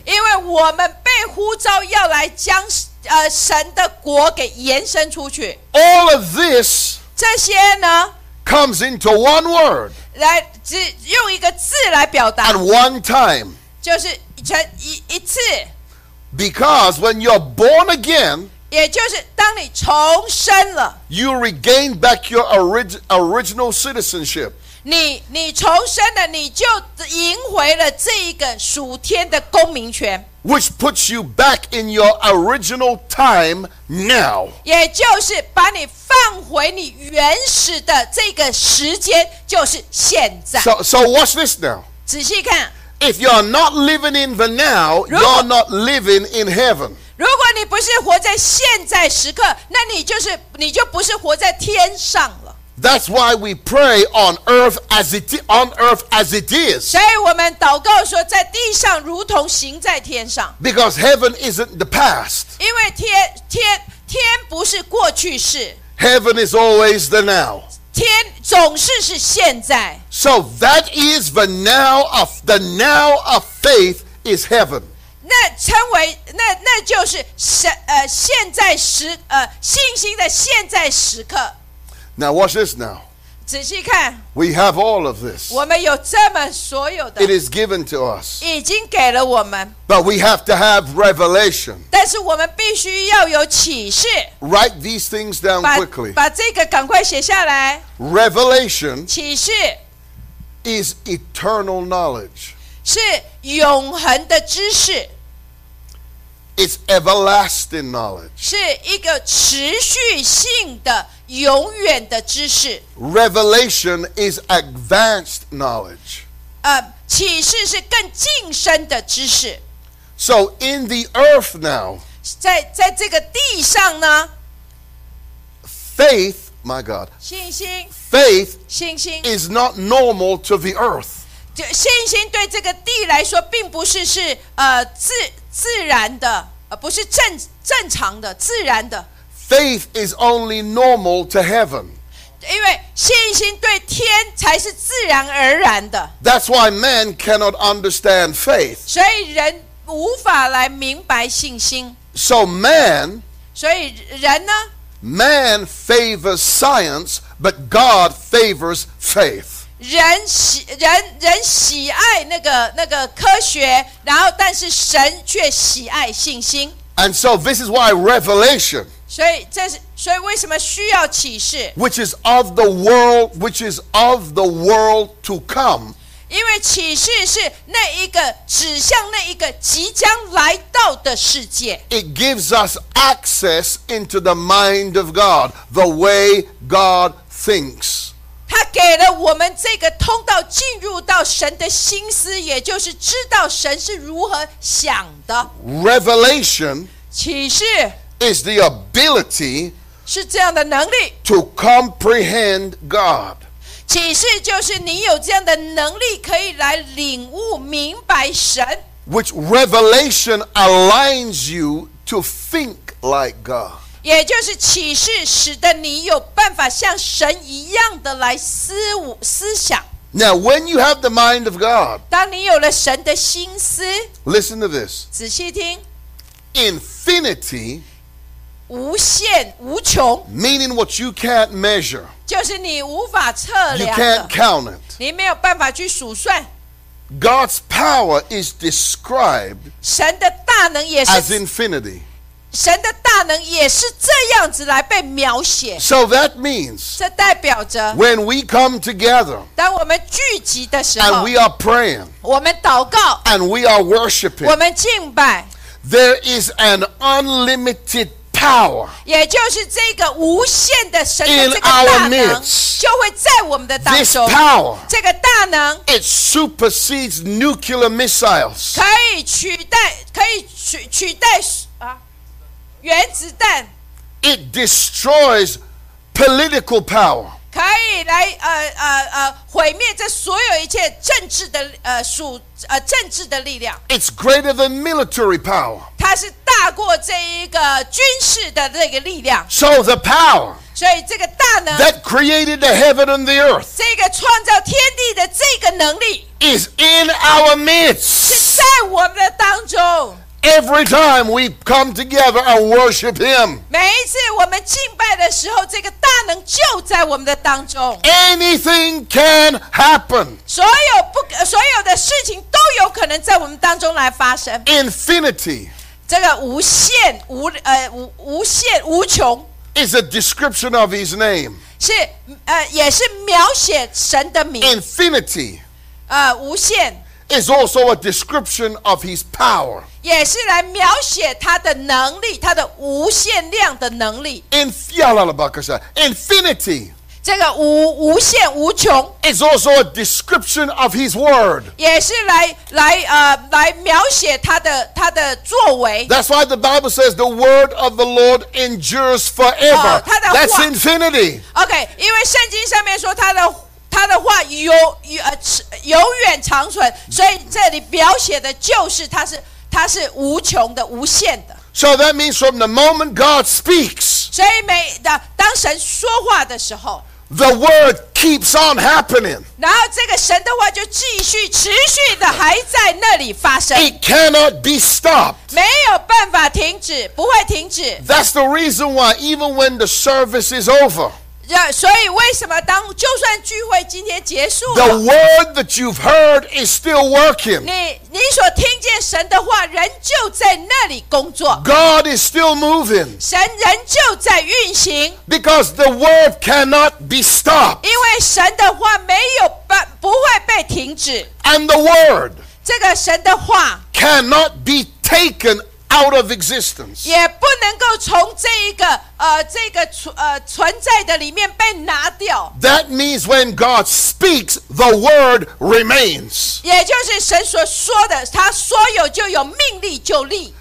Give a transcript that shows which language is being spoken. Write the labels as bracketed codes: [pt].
[zh] 因为我们被呼召要来将、神的国给延伸出去 [en] All of this [zh] 这些呢 [en] comes into one word [zh] 来只用一个字来表达 [en] At one time [zh] 就是成 一次 [en] Because when you're born again, [zh] 也就是当你重生了 [en] you regain back your original citizenship. [zh] 你重生了，你就赢回了这一个属天的公民权 [en] which puts you back in your original time now. [zh] 也就是把你放回你原始的这个时间，就是现在。 [en] So watch this now. [zh] 仔细看。 [en] If you are not living in the now, you are not living in heaven. [zh] 如果你不是活在现在时刻，那你就不是活在天上了。 [en] That's why we pray on earth as it is. [zh] 所以我们祷告说，在地上如同行在天上。 [en] Because heaven isn't the past. [zh] 因为天不是过去式。 [en] Heaven is always the now. [zh] 天总是现在。 [en] So that is the now of faith is heaven. [zh] 那称为那就是现在时信心的现在时刻。 [en] Now watch this now. [zh] 仔细看。 [en] We have all of this. [zh] 我们有这么所有的。 [en] It is given to us. [zh] 已经给了我们。 [en] But we have to have revelation. [zh] 但是我们必须要有启示。 [en] Write these things down quickly. [zh] 把这个赶快写下来。 [en] Revelation [zh] 启示 [en] is eternal knowledge. [zh] 是永恒的知识。 [en] It's everlasting knowledge. [zh] 是一个持续性的永远的知识。 [en] Revelation is advanced knowledge. [zh] 启示是更近身的知识。 [en] So in the earth now, [zh] 在这个地上呢 [en] faith, my God, [zh] 信心 [en] faith, [zh] 信心 [en] is not normal to the earth. [zh] 信心对这个地来说并不是自然的，不是正常的，自然的。 [en] Faith is only normal to heaven. [zh] 因为信心对天才是自然而然的。 [en] That's why man cannot understand faith. [zh] 所以人无法来明白信心。 [en] So man, [zh] 所以人呢？ [en] Man favors science, but God favors faith. [zh] 人喜爱那个科学，然后但是神却喜爱信心。 [en] And so this is why revelation. [zh] 所以为什么需要启示 [en] which is of the world to come [zh] 因为启示是那一个指向那一个即将来到的世界 [en] It gives us access into the mind of God The way God thinks [zh] 他给了我们这个通道进入到神的心思也就是知道神是如何想的 [en] Revelation [zh] 启示 [en] Is the ability [zh] 是这样的能力 [en] to comprehend God. [zh] 启示就是你有这样的能力可以来领悟明白神 [en] which revelation aligns you to think like God. [zh] 也就是启示使得你有办法像神一样的来思想 [en] Now, when you have the mind of God, [zh] 当你有了神的心思 [en] listen to this, [zh] 仔细听 [en] infinity. [zh] 无限无穷 [en] meaning what you can't measure [zh] 就是你无法测量的 [en] you can't count it [zh] 你没有办法去数算 [en] God's power is described [zh] 神的大能也是 [en] as infinity [zh] 神的大能也是这样子来被描写 [en] so that means [zh] 这代表着 [en] when we come together [zh] 当我们聚集的时候 [en] and we are praying [zh] 我们祷告 [en] and we are worshiping [zh] 我们敬拜 [en] there is an unlimited power Power [zh] 也就是这个无限的神的这个大能 [en] in our midst, [zh] 就会在我们的当中 [en] this power, [zh] 这个大能 [en] it supersedes nuclear missiles [zh] 可以取代、原子弹 [en] it destroys political power [zh] 可以来毁灭这所有一切政治的力量 [en] it's greater than military power [zh] 它他是大过这一个军事的这个力量。 [en] So the power. [zh] 所以这个大能。 [en] That created the heaven and the earth. [zh] 这个创造天地的这个能力。 [en] Is in our midst. [zh] 是在我们的当中。 [en] Every time we come together and worship Him. [zh] 每一次我们敬拜的时候，这个大能就在我们的当中。 [en] Anything can happen. [zh] 所有的事情都有可能在我们当中来发生。 [en] Infinity. [zh] 这个无限 无限无穷。 [en] Is a description of His name. [zh] 是也是描写神的名。 [en] Infinity. [zh] 无限。 [en] Is also a description of His power. [zh] 也是来描写他的能力，他的无限量的能力。 [en] Infinity. [zh] 这个无限无穷。 [en] Is also a description of His word. [zh] 也是来描写他的作为。 [en] That's why the Bible says the word of the Lord endures forever. [zh] 他的话 [en] That's infinity. [zh] Okay, 因为圣经上面说他的话永远长存，所以这里描写的就是他是无穷的、无限的。 [en] So that means from the moment God speaks， [zh] 所以当神说话的时候 [en] ，the word keeps on happening。 [zh] 然后这个神的话就继续持续的还在那里发生。 [en] It cannot be stopped， [zh] 没有办法停止，不会停止。 [en] That's the reason why even when the service is over。 [zh] Yeah, 所以为什么当就算聚会今天结束了 [en] The word that you've heard is still working [zh] 你所听见神的话仍旧在那里工作 [en] God is still moving [zh] 神仍旧在运行 [en] Because the word cannot be stopped [zh] 因为神的话不会被停止 [en] And the word [zh] 这个神的话 [en] cannot be taken out of existence [zh] 也不能够从这一个存在的里面被拿掉。 [en] That means when God speaks, the word remains. [zh] 也就是神所说的，他说有就有，命立就立。